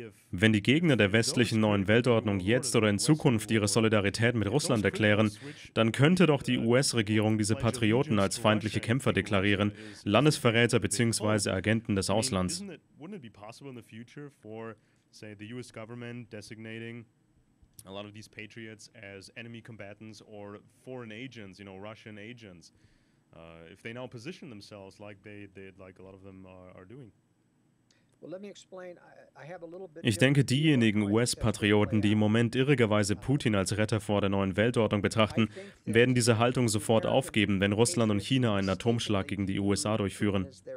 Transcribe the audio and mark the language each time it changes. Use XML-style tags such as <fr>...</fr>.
<de>Wenn die Gegner der westlichen neuen Weltordnung jetzt oder in Zukunft ihre Solidarität mit Russland erklären, dann könnte doch die US-Regierung diese Patrioten als feindliche Kämpfer deklarieren, Landesverräter bzw. Agenten des Auslands.</de> <en>Wouldn't it be possible in the future for, say, the US government designating a lot of these patriots as enemy combatants or foreign agents, you know, Russian agents? If they now position themselves like they did, like a lot of them are doing. Well, let me explain. I have a little bit.</en> <de>Ich denke, diejenigen US-Patrioten, die im Moment irrigerweise Putin als Retter vor der neuen Weltordnung betrachten, werden diese Haltung sofort aufgeben, wenn Russland und China einen Atomschlag gegen die USA durchführen.</de>